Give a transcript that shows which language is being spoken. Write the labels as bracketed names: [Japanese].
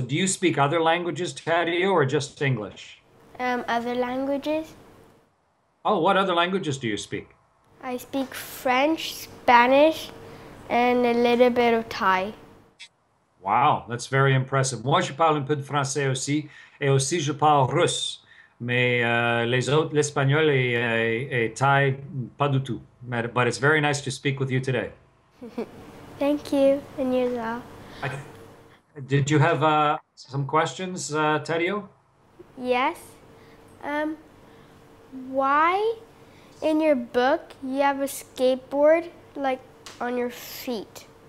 [English] Do you speak other languages, Tadeo, or just English? Other languages? Oh, what other languages do you speak? I speak French, Spanish, and a little bit of Thai. Wow, that's very impressive. [French] Moi, je parle un peu de français aussi, et aussi je parle russe. Mais les autres, l'espagnol et Thai, pas du tout. [English] But it's very nice to speak with you today. Thank you, and you as well. Did you have some questions, Tadio? Yes. Why in your book you have a skateboard like on your feet?